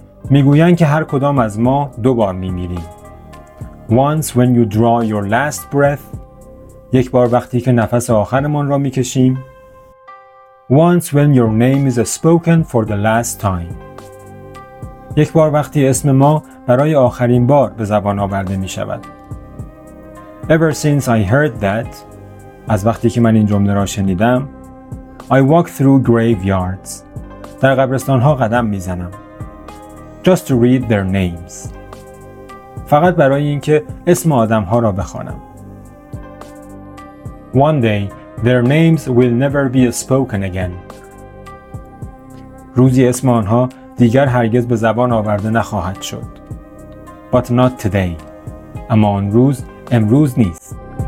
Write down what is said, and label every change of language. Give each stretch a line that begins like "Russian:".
Persian: میگویند که هر کدام از ما دوبار میمیریم.
English: Once when you draw your last breath.
Persian: یک بار وقتی که نفس آخرمان را میکشیم.
English: Once when your name is spoken for the last time.
Persian: یک بار وقتی اسم ما برای آخرین بار به زبان آورده می شود.
English: Ever since I heard that,
Persian: از وقتی که من این جمله را شنیدم,
English: I walk through graveyards.
Persian: در قبرستان ها قدم می زنم.
English: Just to read their names.
Persian: فقط برای اینکه اسم آدم ها را بخوانم.
English: One day, their names will never be spoken again.
Persian: روزی اسم آنها دیگر هرگز به زبان آورده نخواهد شد.
English: But not today.
Persian: اما آن روز امروز نیست.